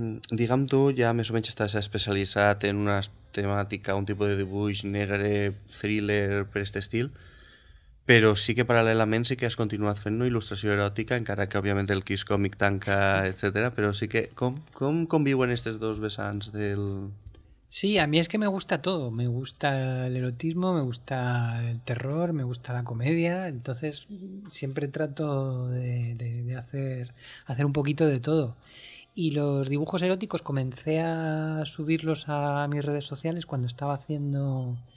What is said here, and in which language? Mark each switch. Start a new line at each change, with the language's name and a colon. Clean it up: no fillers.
Spanish: Digamos tú, ya más o menos estás especializado en una temática, un tipo de
Catalan: dibuix negre,
Spanish: thriller, per este estilo.
Catalan: Però sí que paral·lelament sí que has continuat fent una il·lustració eròtica, encara que òbviament el Kiss Comic tanca, etc. Però sí que com conviuen aquestes dos vessants del...
Spanish: Sí, a mí es que me gusta todo. Me gusta el erotismo, me gusta el terror, me gusta la comedia. Entonces siempre trato de hacer un poquito de todo. Y los dibujos eróticos comencé a subirlos a mis redes sociales cuando estaba haciendo...